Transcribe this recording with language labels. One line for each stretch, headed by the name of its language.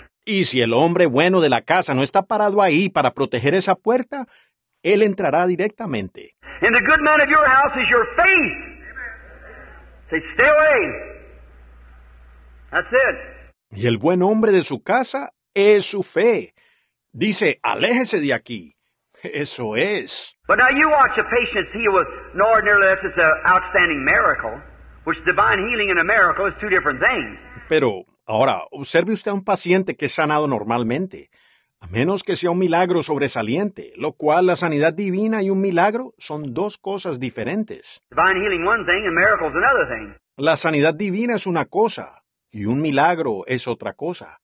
Spanish: Y si el hombre bueno de la casa no está parado ahí para proteger esa puerta, él entrará directamente.
English: And the good man of your house is your faith. Say, stay away. That's it.
Spanish: Y el buen hombre de su casa es su fe. Dice, aléjese de aquí. Eso es.
English: But now you watch a patient heal with no ordinary lift. It's an outstanding miracle. Which divine healing and a miracle is two different things.
Spanish: Pero ahora, observe usted a un paciente que es sanado normalmente, a menos que sea un milagro sobresaliente, lo cual la sanidad divina y un milagro son dos cosas diferentes.
English: Divine healing one thing and miracles another thing.
Spanish: La sanidad divina es una cosa y un milagro es otra cosa.